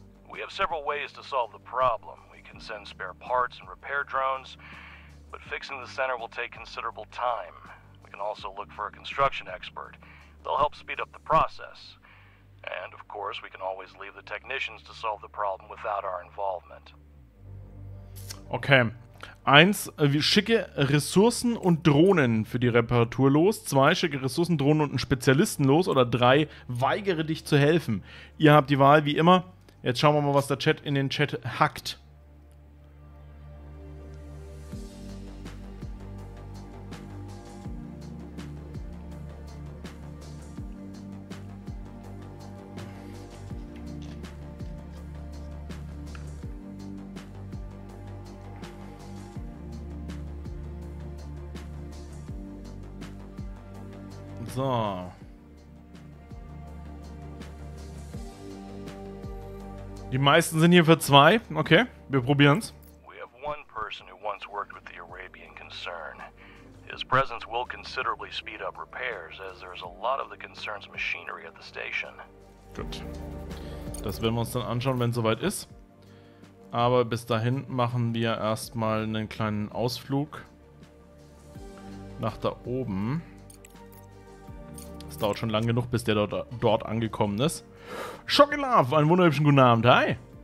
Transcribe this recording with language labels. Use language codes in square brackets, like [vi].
[en] We have several ways to solve the problem. We can send spare parts and repair drones, but fixing the center will take considerable time. We can also look for a construction expert. They'll help speed up the process. And of course, we can always leave the technicians to solve the problem without our involvement. Okay. [de] Eins, wir schicke Ressourcen und Drohnen für die Reparatur los. Zwei, schicke Ressourcen, Drohnen und einen Spezialisten los. Oder drei, weigere dich zu helfen. Ihr habt die Wahl, wie immer. Jetzt schauen wir mal, was der Chat in den Chat hackt. So. Die meisten sind hier für zwei. Okay, wir probieren's. [en] We have one person who once worked with the Arabian concern. His presence will considerably speed up repairs, as there's a lot of the concern's machinery at the station. [de] Gut. Das werden wir uns dann anschauen, wenn es soweit ist. Aber bis dahin machen wir erstmal einen kleinen Ausflug nach da oben. Es dauert schon lange genug, bis der dort angekommen ist. Schockelav, einen wunderhübschen guten Abend. Hi.